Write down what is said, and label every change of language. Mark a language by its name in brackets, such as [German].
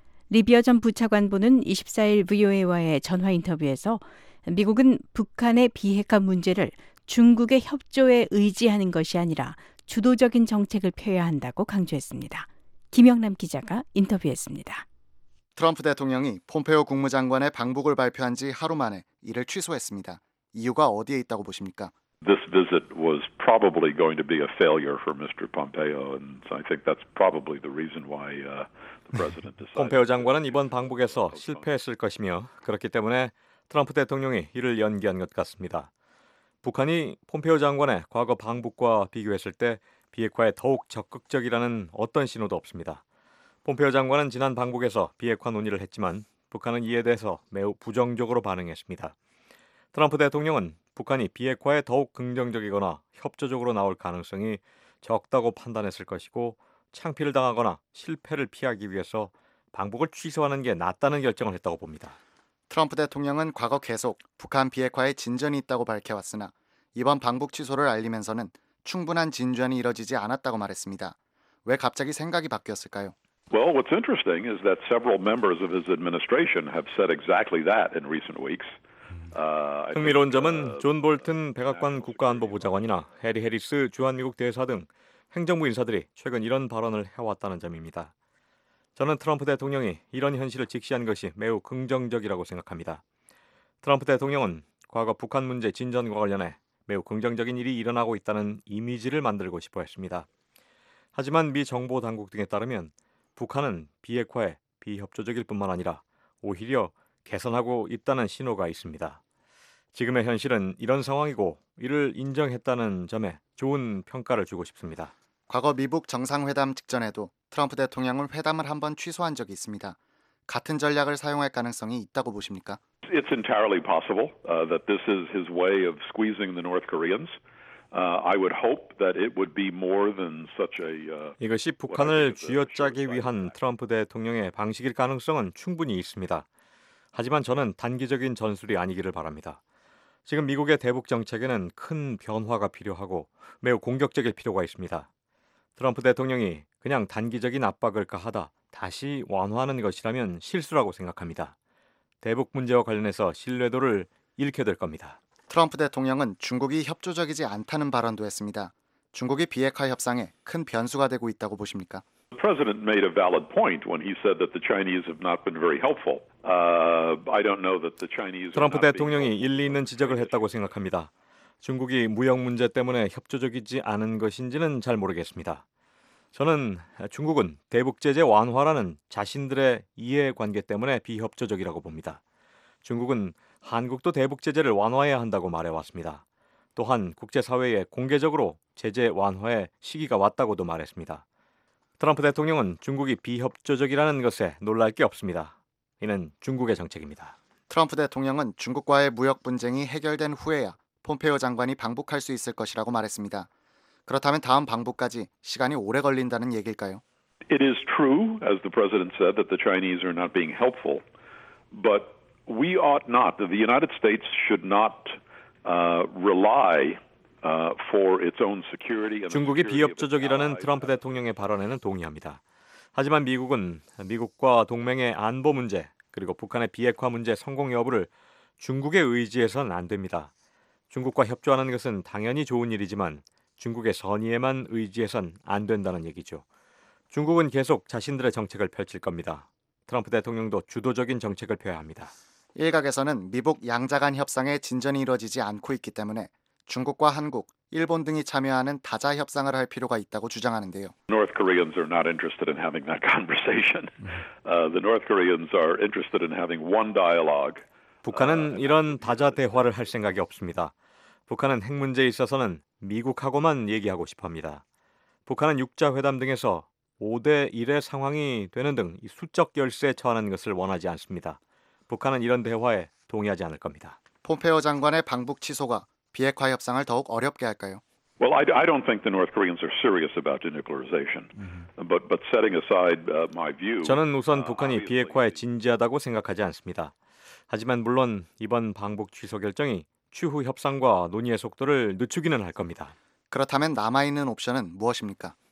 [Korean] 리비어 전 부차관보는 24일 VOA와의 전화 인터뷰에서 미국은 북한의 비핵화 문제를 중국의 협조에 의지하는 것이 아니라 주도적인 정책을 펴야 한다고 강조했습니다. 김영남 기자가 인터뷰했습니다. 트럼프 대통령이 폼페이오 국무장관의 방북을 발표한 지 하루 만에 이를 취소했습니다. 이유가 어디에 있다고 보십니까? [English] This visit was probably going to be a failure for Mr. Pompeo, and I think that's probably the reason why the president decided. [Korean] 폼페이오 장관은 이번 방북에서 실패했을 것이며 그렇기 때문에 트럼프 대통령이 이를 연기한 것 같습니다. 북한이 폼페이오 장관의 과거 방북과 비교했을 때 비핵화에 더욱 적극적이라는 어떤 신호도 없습니다. 폼페이오 장관은 지난 방북에서 비핵화 논의를 했지만 북한은 이에 대해서 매우 부정적으로 반응했습니다. 트럼프 대통령은 북한이 비핵화에 더욱 긍정적이거나 협조적으로 나올 가능성이 적다고 판단했을 것이고 창피를 당하거나 실패를 피하기 위해서 방북을 취소하는 게 낫다는 결정을 했다고 봅니다. 트럼프 대통령은 과거 계속 북한 비핵화에 진전이 있다고 밝혀왔으나 이번 방북 취소를 알리면서는 충분한 진전이 이뤄지지 않았다고 말했습니다. 왜 갑자기 생각이 바뀌었을까요? [English] Well, what's interesting is that several members of his administration have said exactly that in recent weeks. [Korean] 흥미로운 점은 존 볼튼 백악관 국가안보보좌관이나 해리 해리스 주한미국 대사 등 행정부 인사들이 최근 이런 발언을 해왔다는 점입니다. 저는 트럼프 대통령이 이런 현실을 직시한 것이 매우 긍정적이라고 생각합니다. 트럼프 대통령은 과거 북한 문제 진전과 관련해 매우 긍정적인 일이 일어나고 있다는 이미지를 만들고 싶어 했습니다. 하지만 미 정보 당국 등에 따르면 북한은 비핵화에 비협조적일 뿐만 아니라 오히려 개선하고 있다는 신호가 있습니다. 지금의 현실은 이런 상황이고 이를 인정했다는 점에 좋은 평가를 주고 싶습니다. 과거 미북 정상회담 직전에도 트럼프 대통령은 회담을 한번 취소한 적이 있습니다. 같은 전략을 사용할 가능성이 있다고 보십니까? [English] It's entirely possible that this is his way of squeezing the North Koreans. I would hope that it would be more than such a [Korean] 이것이 북한을 쥐어짜기 위한 트럼프 대통령의 방식일 가능성은 충분히 있습니다. 하지만 저는 단기적인 전술이 아니기를 바랍니다. 지금 미국의 대북 정책에는 큰 변화가 필요하고 매우 공격적일 필요가 있습니다. 트럼프 대통령이 그냥 단기적인 압박을 가하다 다시 완화하는 것이라면 실수라고 생각합니다. 대북 문제와 관련해서 신뢰도를 잃게 될 겁니다. 트럼프 대통령은 중국이 협조적이지 않다는 발언도 했습니다. 중국이 비핵화 협상에 큰 변수가 되고 있다고 보십니까? [English] The president made a valid point when he said that the Chinese have not been very helpful. I don't know that the Chinese [Korean] 트럼프 대통령이 일리 있는 지적을 했다고 생각합니다. 중국이 무역 문제 때문에 협조적이지 않은 것인지는 잘 모르겠습니다. 저는 중국은 대북 제재 완화라는 자신들의 이해관계 때문에 비협조적이라고 봅니다. 중국은 한국도 대북 제재를 완화해야 한다고 말해왔습니다. 또한 국제사회의 공개적으로 제재 완화의 시기가 왔다고도 말했습니다. 트럼프 대통령은 중국이 비협조적이라는 것에 놀랄 게 없습니다. 이는 중국의 정책입니다. 트럼프 대통령은 중국과의 무역 분쟁이 해결된 후에야 폼페이오 장관이 방북할 수 있을 것이라고 말했습니다. 그렇다면 다음 방북까지 시간이 오래 걸린다는 얘길까요? [English] It is true, as the president said, that the Chinese are not being helpful. But we ought not, the United States should not rely for its own security. [Korean] 중국이 비협조적이라는 트럼프 대통령의 발언에는 동의합니다. 하지만 미국은 미국과 동맹의 안보 문제 그리고 북한의 비핵화 문제 성공 여부를 중국의 의지에선 안 됩니다. 중국과 협조하는 것은 당연히 좋은 일이지만 중국의 선의에만 의지해선 안 된다는 얘기죠. 중국은 계속 자신들의 정책을 펼칠 겁니다. 트럼프 대통령도 주도적인 정책을 펴야 합니다. 일각에서는 미북 양자 간 협상에 진전이 이루어지지 않고 있기 때문에 중국과 한국, 일본 등이 참여하는 다자 협상을 할 필요가 있다고 주장하는데요. [English] North Koreans are not interested in having that conversation. The North Koreans are interested in having one dialogue. [Korean] 북한은 이런 다자 대화를 할 생각이 없습니다. 북한은 핵 문제에 있어서는 미국하고만 얘기하고 싶어합니다. 북한은 6자 회담 등에서 5대 1의 상황이 되는 등 수적 열세에 처하는 것을 원하지 않습니다. 북한은 이런 대화에 동의하지 않을 겁니다. 폼페이오 장관의 방북 취소가 비핵화 협상을 더욱 어렵게 할까요? [English] Well, I don't think the North Koreans are serious about denuclearization. But setting aside my view, [Korean] 저는 우선 북한이 비핵화에 진지하다고 생각하지 않습니다. 하지만 물론 이번 방북 취소 결정이 추후 협상과 논의의 속도를 늦추기는 할 겁니다. 그렇다면 남아 있는 옵션은 무엇입니까?